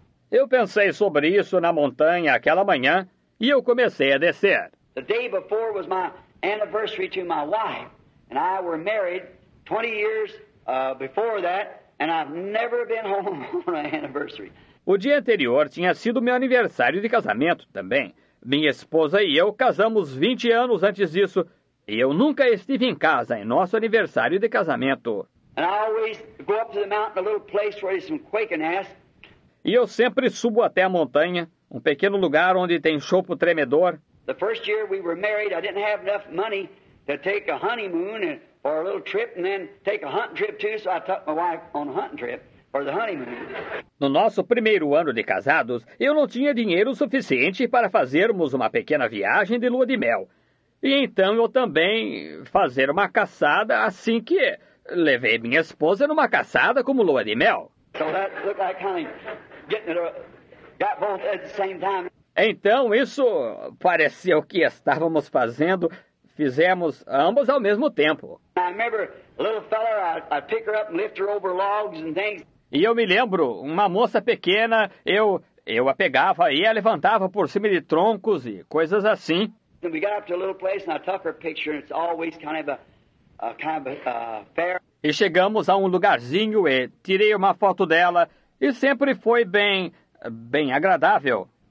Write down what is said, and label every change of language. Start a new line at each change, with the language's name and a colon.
Portuguese: Eu pensei sobre isso na montanha naquela manhã e comecei a descer. Eu pensei sobre isso na montanha aquela manhã e eu comecei a descer.
English: The day before was my anniversary to my wife, and I were married 20 years before that, and I've never been home on an anniversary.
Portuguese: O dia anterior tinha sido meu aniversário de casamento também. Minha esposa e eu casamos 20 anos antes disso, e eu nunca estive em casa em nosso aniversário de casamento.
English: And I always go up to the mountain, a little place where there's some quaking ass.
Portuguese: E eu sempre subo até a montanha, um pequeno lugar onde tem chopo tremedor.
English: The first year we were married, I didn't have enough money to take a honeymoon and for a little trip and then take a hunting trip too, so I took my wife on a hunting trip for the honeymoon.
Portuguese: No nosso primeiro ano de casados, eu não tinha dinheiro suficiente para fazermos uma pequena viagem de lua de mel. E então eu também fazer uma caçada assim que levei minha esposa numa caçada como lua de mel.
English: So that looked like kind of got both at the same time.
Portuguese: Então, isso pareceu que estávamos fazendo, fizemos ambos ao mesmo tempo.
English: I remember a little fella, I'd pick her up and lift her over logs and things.
Portuguese: E eu me lembro, uma moça pequena, eu a pegava e a levantava por cima de troncos e coisas assim.
English: And we got up to a little place and I took her picture and it's always kind of a fair.
Portuguese: E chegamos a um lugarzinho e tirei uma foto dela. E sempre foi bem agradável.